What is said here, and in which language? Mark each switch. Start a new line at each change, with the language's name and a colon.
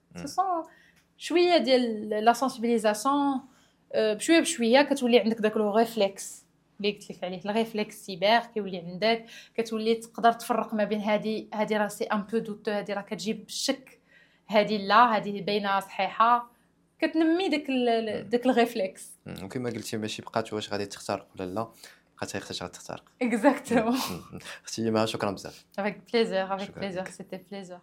French: Ce sont chouïa de la sensibilisation, chouïa chouïa que tu oublies
Arabic: عندك داك
French: le réflexe.
Arabic: اللي قلت لك عليه الريفلكس سيبر كيولي عندك كتولي تقدر تفرق ما بين هذه راه سي ان بو دوتو هذه راه كتجيب الشك هذه لا هذه باينه صحيحه كتنمي داك الريفلكس وكما قلتي ماشي بقات واش غادي تختار ولا لا خاطر خاطر تختار اكزاكتو اختي ما شكرا بزاف
French: avec plaisir avec plaisir c'était plaisir